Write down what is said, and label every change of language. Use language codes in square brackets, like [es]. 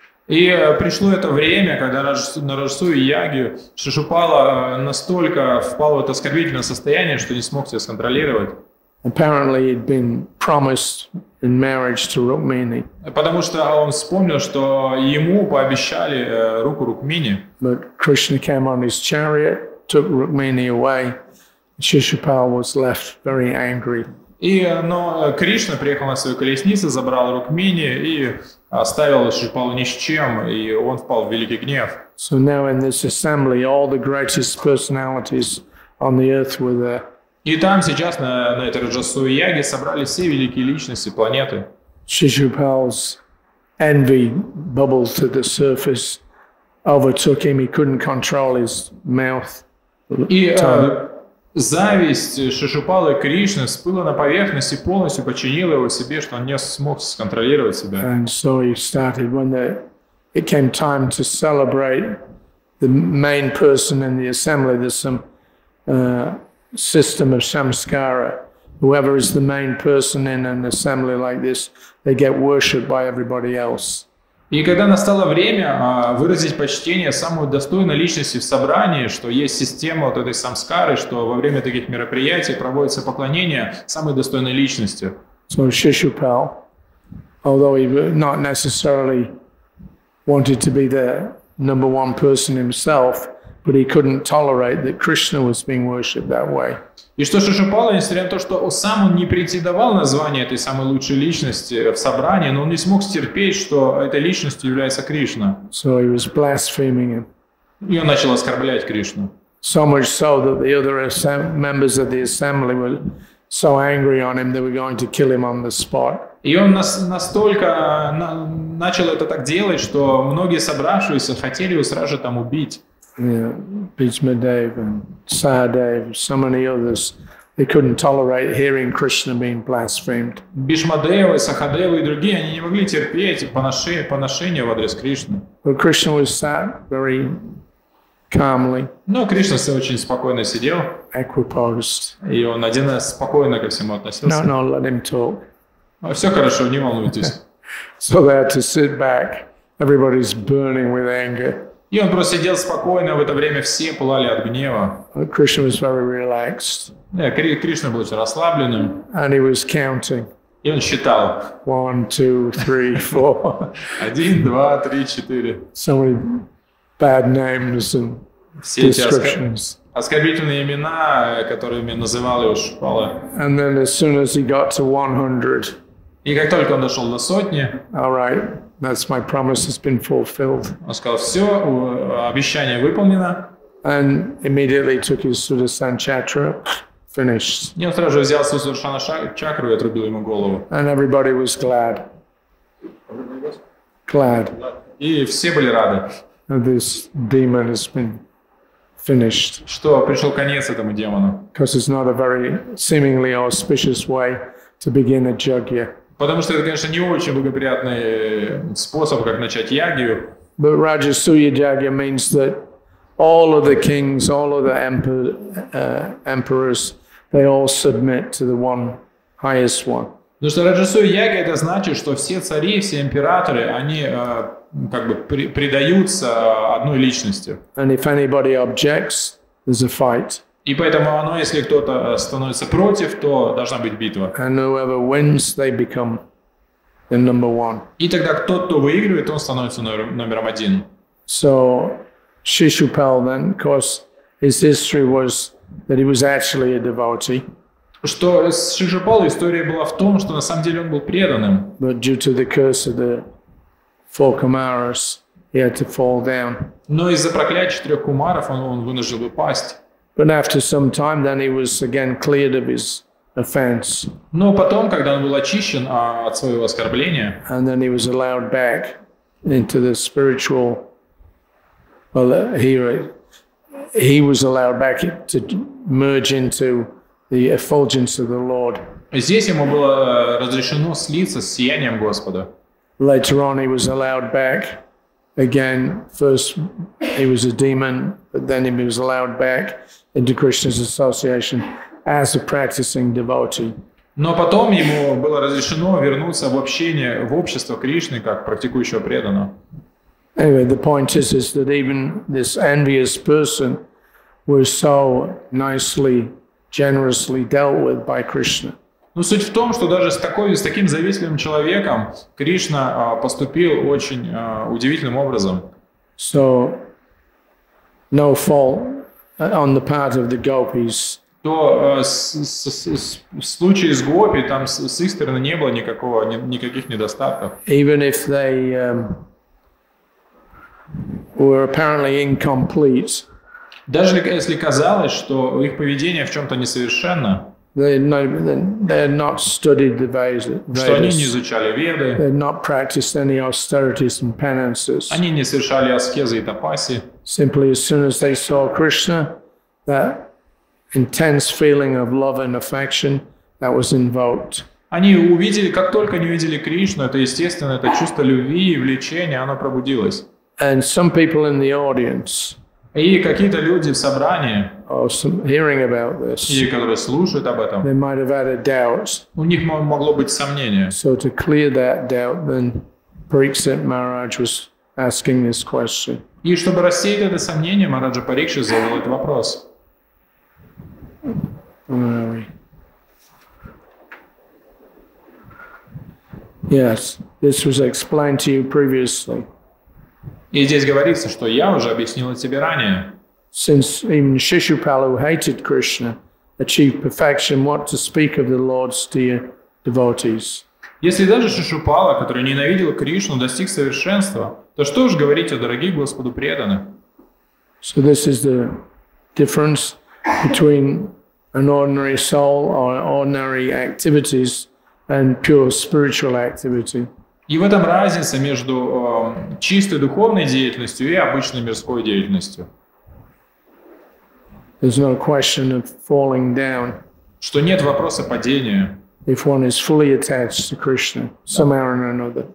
[ru] И пришло это время, когда на Рождество Яги Шишупала настолько впал в это оскорбительное состояние, что не смог себя сконтролировать. Потому что он вспомнил, что ему пообещали руку Рукмини. [en] But Krishna came on his chariot, took Rukmini away. Shishupala was left very angry. [ru] Но Кришна приехал на свою колесницу, забрал Рукмини и оставил Шишупалу ни с чем, и он впал в великий гнев. [en] So now in this assembly all the greatest personalities on the earth were there. [ru] И там сейчас на этой Раджасуе Яге собрали все великие личности планеты. [en] Шишупал's envy bubbled to the surface, overtook him, he couldn't control his mouth. [ru] Зависть Шишупалы и Кришны всплыла на поверхность и полностью подчинила его себе, что он не смог сконтролировать себя. [en] And so he started when it came time to celebrate the main person in the assembly. There's some system of samskara. Whoever is the main person in an assembly like this, they get worshipped by everybody else. [ru] И когда настало время выразить почтение самой достойной личности в собрании, что есть система вот этой самскары, что во время таких мероприятий проводится поклонение самой достойной личности. [en] So Shishupal, although he not necessarily wanted to be the number one person himself, but he couldn't tolerate that Krishna was being worshipped that way. [ru] И что Шишупала, несмотря на то, что сам он не претендовал на звание этой самой лучшей личности в собрании, но он не смог стерпеть, что этой личностью является Кришна. [en] So he was blaspheming him. [ru] И он начал оскорблять Кришну. [en] So much so that the other members of the assembly were so angry on him, they were going to kill him on the spot. [ru] И он настолько начал это так делать, что многие собравшиеся хотели его сразу же там убить. [en] Yeah, Bhishmadev and Sahadev, so many others, they couldn't tolerate hearing Krishna being blasphemed. [ru] Bhishmadev, Sahadev and другие, они не могли терпеть поношения в адрес Кришны. [en] But Krishna was sat very calmly. [ru] Но Кришна все очень спокойно сидел. [en] Equipoised. [ru] И он один раз спокойно ко всему относился. [en] No, let him talk. [ru] Все хорошо, не волнуйтесь. [en] So they had to sit back. Everybody's burning with anger. [ru] И он просто сидел спокойно, в это время все пылали от гнева. [en] Krishna was very relaxed. [ru] Yeah, Кришна был очень расслабленным. [en] And he was counting. [ru] И он считал. [en] 1, 2, 3, 4. [ru] 1, 2, 3, 4. [en] So many bad names and descriptions. [ru] Оскорбительные имена, которыми называл его Шишупала. [en] And then as soon as he got to 100. [ru] И как только он дошел до сотни. [en] All right. That's my promise has been fulfilled. [ru] Он сказал, все, обещание выполнено. [en] And immediately took his Sudarshan-чакра, finished. [ru] И он сразу же взял свою Sudarshan-чакру и отрубил ему голову. [en] And everybody was glad. Glad. [ru] И все были рады. [en] And this demon has been finished. [ru] Что пришел конец этому демону. [en] Because it's not a very seemingly auspicious way to begin a yajna. [ru] Потому что это, конечно, не очень благоприятный способ, как начать ягью. [en] But Rajasuya Yagya means that all of the kings, all of the emperors, they all submit to the one highest one. [ru] Потому что Rajasuya Yagya это значит, что все цари, все императоры, они как бы предаются одной личности. [en] And if anybody objects, there's a fight. [ru] И поэтому оно, если кто-то становится против, то должна быть битва. [en] And whoever wins, they become the number one. [ru] И тогда тот, кто выигрывает, он становится номером один. [en] So Шишупал then, of course, his history was that he was actually a devotee. [ru] Что с Шишупалом история была в том, что на самом деле он был преданным. [en] But due to the curse of the four kumaras, he had to fall down. [ru] Но из-за проклятия четырех кумаров он вынужден был пасть. [en] But after some time, then he was again cleared of his offense. [ru] Но потом, когда он был очищен от своего оскорбления, [en] and then he was allowed back into the spiritual. Well, he was allowed back to merge into the effulgence of the Lord. [ru] Здесь ему было разрешено слиться с сиянием Господа. [en] Later on, he was allowed back again. First, he was a demon, but then he was allowed back into Krishna's association as a practicing devotee. [ru] Но потом ему было разрешено вернуться в общение, в общество Кришны как практикующего преданного. [en] Anyway, the point is that even this envious person was so nicely, generously dealt with by Krishna. [ru] Но суть в том, что даже с таким завистливым человеком Кришна поступил очень удивительным образом. [en] So no fault on the part of the gopis. [ru] То в случае с гопи там с их стороны не было никаких недостатков. [en] Even if they were apparently incomplete. [ru] Даже если казалось, что их поведение в чем-то несовершенно. [en] They had not studied the Vedas. [ru] Что они не изучали Веды. [en] They had not practiced any austerities and penances. [ru] Они не совершали аскезы и тапаси. [en] Simply as soon as they saw Krishna, that intense feeling of love and affection that was invoked. [ru] Они увидели, как только они увидели Кришну, это естественно, это чувство любви и влечения, оно пробудилось. [en] And some people in the audience. [ru] И какие-то люди в собрании, [en] hearing about this, [ru] и которые слушают об этом, [en] they might have had a doubt. [ru] У них могло быть сомнение. [en] So to clear that doubt, then Parikshit Maharaj was asking this question. [ru] И чтобы рассеять это сомнение, Мараджа Парикши задал этот вопрос. [en] Yes, this was explained to you previously. [ru] И здесь говорится, что я уже объяснил тебе ранее. [en] Since even Shishupala, who hated Krishna, achieved perfection, what to speak of the Lord's dear devotees? [ru] Если даже Шишупала, который ненавидел Кришну, достиг совершенства, то что уж говорить о дорогих Господу преданных? [en] So this is the difference between an ordinary soul or ordinary activities and pure spiritual activity. [ru] И в этом разница между чистой духовной деятельностью и обычной мирской деятельностью. [en] There's no question of falling down. [ru] Что нет вопроса падения. [en] If one is fully attached to Krishna, somehow or another.